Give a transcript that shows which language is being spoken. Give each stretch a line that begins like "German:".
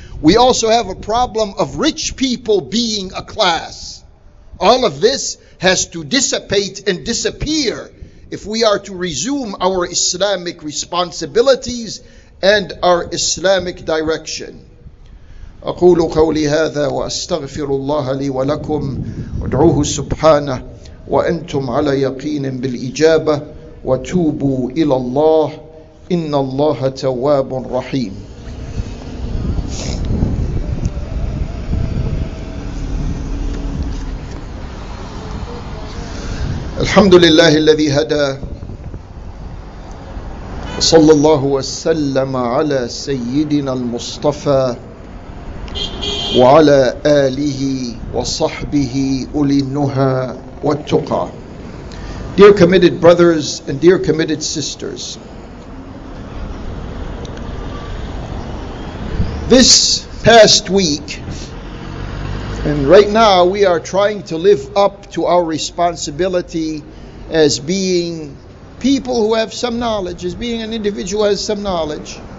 English: We also have a problem of rich people being a class. All of this has to dissipate and disappear if we are to resume our Islamic responsibilities and our Islamic direction.
Arabic: أقول قولي هذا وأستغفر الله لي ولكم وادعوه سبحانه وأنتم على يقين بالإجابة وتوبوا إلى الله إن الله تواب رحيم. الحمد لله الذي هدى صلى الله وسلم على سيدنا المصطفى وعلى آله وصحبه أولي النهى والتقى.
English: Dear committed brothers and dear committed sisters, this past week, and right now, we are trying to live up to our responsibility as being people who have some knowledge, as being an individual who has some knowledge.